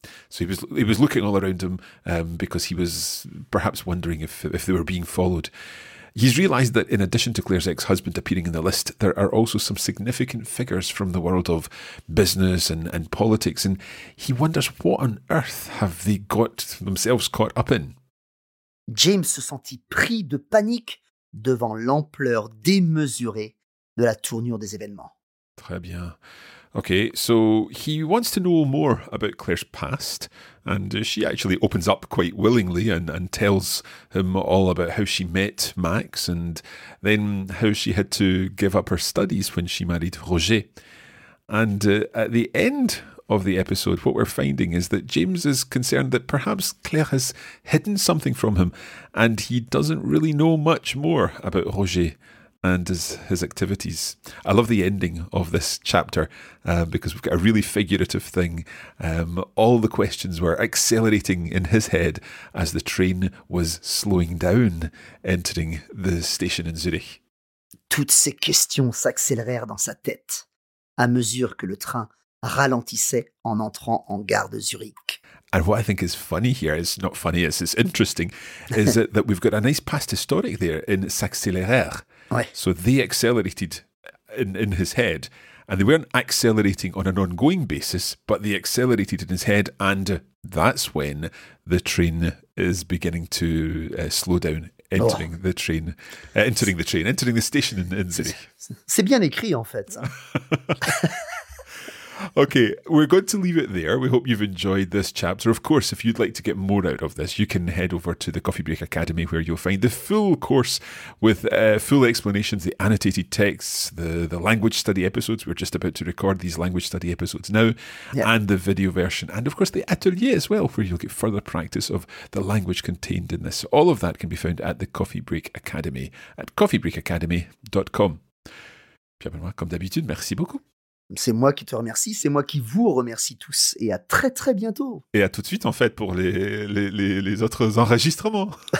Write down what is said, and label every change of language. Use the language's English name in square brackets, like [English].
[English] So he was looking all around him because he was perhaps wondering if they were being followed. He's realised that in addition to Claire's ex-husband appearing in the list, there are also some significant figures from the world of business and politics, and he wonders what on earth have they got themselves caught up in. [French] James se sentit pris de panique devant l'ampleur démesurée de la tournure des événements. Très bien. [English] Okay, so he wants to know more about Claire's past, and she actually opens up quite willingly and tells him all about how she met Max and then how she had to give up her studies when she married Roger. And at the end of the episode, what we're finding is that James is concerned that perhaps Claire has hidden something from him, and he doesn't really know much more about Roger and his activities. I love the ending of this chapter because we've got a really figurative thing. All the questions were accelerating in his head as the train was slowing down, entering the station in Zurich. [French] Toutes ces questions s'accélérèrent dans sa tête à mesure que le train ralentissait en entrant en gare de Zurich. [English] And what I think is funny here, it's not funny, it's interesting, is that we've got a nice past historic there in s'accélérèrent. [French] Ouais. [English] So they accelerated in his head, and they weren't accelerating on an ongoing basis, but they accelerated in his head, and that's when the train is beginning to slow down, entering the station in Zurich. [French] C'est bien écrit, en fait. [English] Okay, we're going to leave it there. We hope you've enjoyed this chapter. Of course, if you'd like to get more out of this, you can head over to the Coffee Break Academy, where you'll find the full course with full explanations, the annotated texts, the language study episodes. We're just about to record these language study episodes now, and the video version. And of course, the atelier as well, where you'll get further practice of the language contained in this. All of that can be found at the Coffee Break Academy at coffeebreakacademy.com. [French] Pierre-Benoît, comme d'habitude, merci beaucoup. C'est moi qui te remercie, c'est moi qui vous remercie tous. Et à très très bientôt. Et à tout de suite en fait pour les autres enregistrements.